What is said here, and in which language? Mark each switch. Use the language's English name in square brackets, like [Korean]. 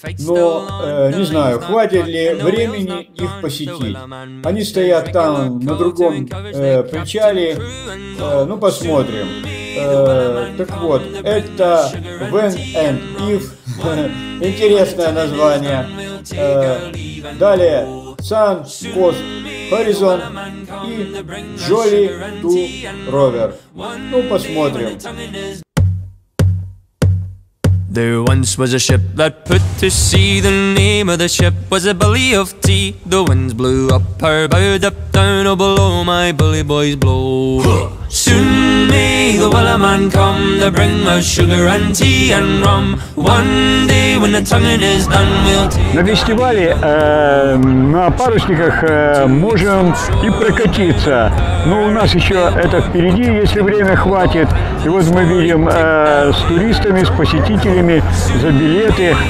[Russian] Но не знаю, хватит ли времени их посетить. Они стоят там на другом причале. Ну посмотрим. Так вот, это When and If. Интересное название. Далее Sun Coast Horizon и Jolly to Rover. Ну, посмотрим. [English] There once was a ship that put to sea. The name of the ship was a Bully of Tea. The winds blew up her bow, dipped down, oh, below my bully boys blow. Soon may the Wellerman come to bring us sugar and tea and rum. One day when the tonguing is done, we'll take. [Russian] На фестивале на парусниках можем и прокатиться. Но у нас еще это впереди, если время хватит. И вот мы видим с туристами, с посетителями за билеты.